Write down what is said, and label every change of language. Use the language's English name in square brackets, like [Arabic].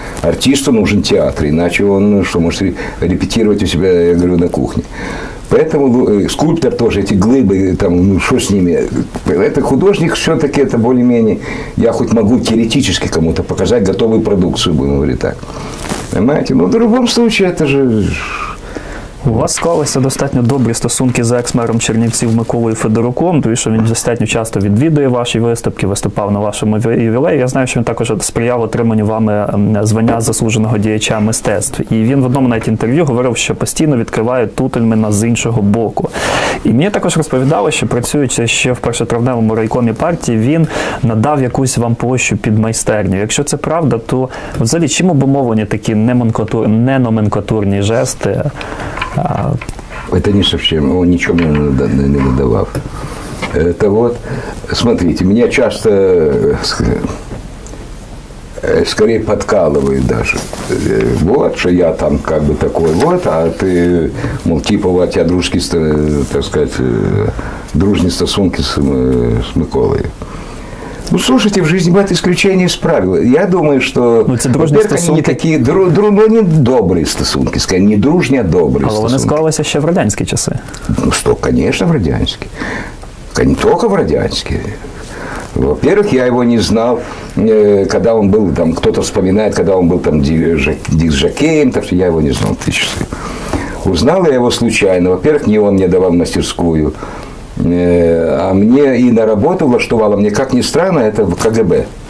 [Russian] Артисту нужен театр, иначе он что, может репетировать у себя, я говорю, на кухне. Поэтому скульптор тоже, эти глыбы, что с ними. Это художник все-таки, это более-менее, я хоть могу теоретически кому-то показать готовую продукцию, будем говорить так. Понимаете? В любом случае, это же... [Ukrainian] У вас склалися достатньо добрі стосунки з екс-мером Чернівців Миколою Федоруком, тому що він достатньо часто відвідує ваші виступки, виступав на вашому ювілеї. Я знаю, що він також сприяв отриманню вами звання заслуженого діяча мистецтв. І він в одному навіть інтерв'ю говорив, що постійно відкриває Тутельмина з іншого боку. І мені також розповідали, що працюючи ще в першотравневому райкомі партії, він надав якусь вам площу під майстерню. Якщо це правда, то взагалі чим обумовлені такі неноменклатурні жести? [Russian] Это не совсем, он ничего мне не надавал. Это вот, смотрите, меня часто, скорее, подкалывают даже. Вот, что я там как бы такой, вот, а ты, мол, типа, у тебя дружеские, так сказать, дружные стосунки с Миколой. Ну, слушайте, в жизни бывают исключения из правил. Я думаю, что... [Ukrainian] Ну, це дружні стосунки. Не такі, ну, не добрі стосунки, скажімо, не дружні, а добрі стосунки. Але вони склалися ще в радянські часи. Ну, що, звісно, в радянські. Не тільки в радянські. [Russian] Во-первых, я его не знал, когда он был там, кто-то вспоминает, когда он был там диджакеем, так что я его не знал в тысячу. Узнал я его случайно. Во-первых, не он мне давал мастерскую, а мне и на работу влаштовало, мне как ни странно, это в КГБ.